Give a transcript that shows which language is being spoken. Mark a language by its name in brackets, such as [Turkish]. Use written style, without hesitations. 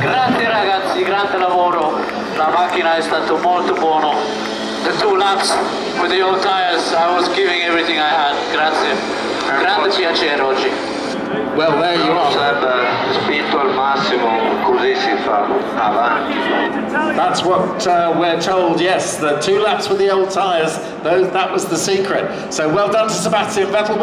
[Italian] Grazie ragazzi, grande lavoro. La macchina è stato molto buono. [English] The two laps with the old tires, I was giving everything I had. [Italian] Grazie. Grande piacere oggi. [English] Well, there you are. [Italian] Spinto al massimo, così si fa avanti. [English] That's what we're told, yes. The two laps with the old tyres, that was the secret. So well done to Sebastian Vettel. Well